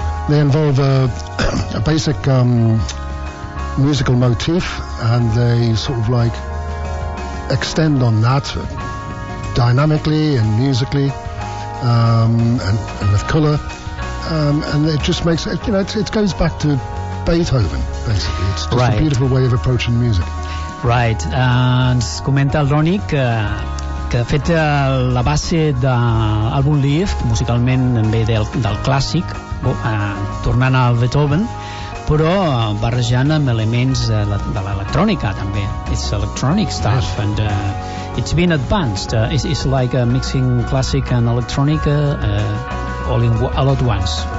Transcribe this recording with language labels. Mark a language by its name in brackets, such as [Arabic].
[English] They involve a basic musical motif, and they sort of like extend on that dynamically and musically, and with colour. And it just makes it, you know, it goes back to Beethoven, basically. It's just right. A beautiful way of approaching music. Right. And [Catalan] comenta el Ronnie que... que fet la base d'Album Leaf, musicalment ve del clàssic, tornant al Beethoven, però barrejant amb elements de l'electrònica també. [English] It's electronic stuff, yes. And it's been advanced. It's like a mixing classic and electronic all at once.